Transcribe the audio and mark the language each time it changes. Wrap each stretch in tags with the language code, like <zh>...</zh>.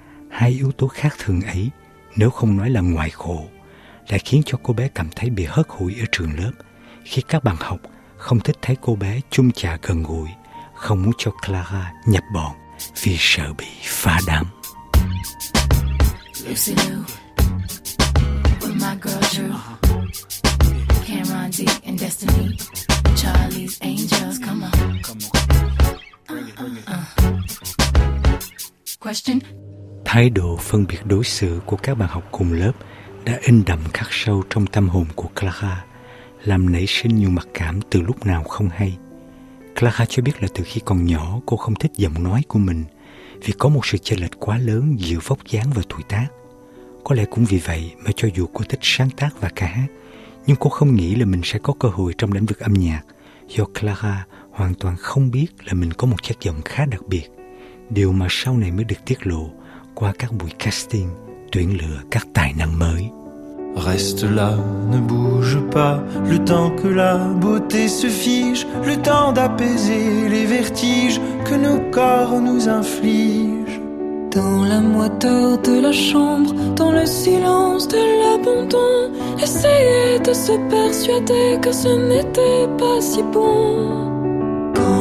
<vi>Hai yếu tố khác thường ấy, nếu không nói là ngoại khổ, lại khiến cho cô bé cảm thấy bị hớt hủi ở trường lớp khi các bạn học không thích thấy cô bé chung chạ gần gũi, không muốn cho Clara nhập bọn vì sợ bị phá đám.</vi> <en>Lucy Liu, with my girl Drew, Cameron D and Destiny, Charlie's Angels, come on. Question.</en> <vi>Thái độ phân biệt đối xử của các bạn học cùng lớp đã in đậm khắc sâu trong tâm hồn của Clara, làm nảy sinh nhiều mặc cảm từ lúc nào không hay. Clara cho biết là từ khi còn nhỏ, cô không thích giọng nói của mình vì có một sự chênh lệch quá lớn giữa vóc dáng và tuổi tác. Có lẽ cũng vì vậy mà cho dù cô thích sáng tác và ca hát, nhưng cô không nghĩ là mình sẽ có cơ hội trong lĩnh vực âm nhạc, do Clara hoàn toàn không biết là mình có một chất giọng khá đặc biệt, điều mà sau này mới được tiết lộ qua các buổi casting tuyển lựa các tài năng mới.</vi> <fr>Reste là, ne bouge pas, le temps que la beauté se fige, le temps d'apaiser les vertiges que nos corps nous infligent. Dans la moiteur de la chambre, dans le silence de l'abandon, essayer de se persuader que ce n'était pas si bon.</fr>